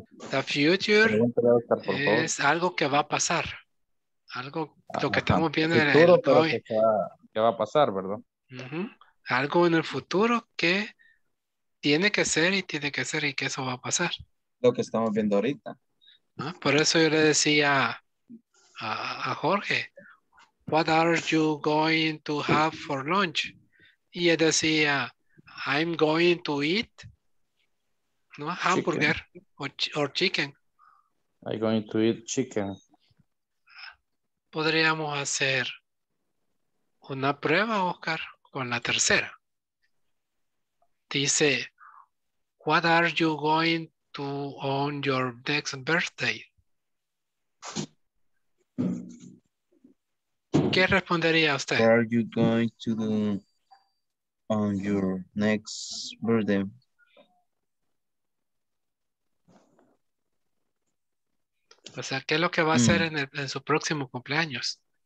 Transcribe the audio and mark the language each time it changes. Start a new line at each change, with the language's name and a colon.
English: The future
Spanish: es algo que va a pasar. Algo, lo que estamos viendo en el futuro, pero hoy. Que va a pasar, ¿verdad? Uh-huh. Algo en el futuro que tiene que ser y tiene que ser y que eso va a pasar. Lo que estamos viendo ahorita. ¿No? Por eso yo le decía a Jorge,
English: what are you going to have for lunch?
Spanish: Y él decía,
English: I'm going to eat,
Spanish: ¿no?
English: Hamburger chicken. I'm going to eat chicken.
Spanish: Podríamos hacer una prueba, Oscar, con la tercera.
English: Dice, what are you going to on your next birthday?
Spanish: ¿Qué respondería usted?
English: What are you going to do on your next birthday?
Spanish: O sea, ¿qué es lo que va a hacer en su próximo cumpleaños?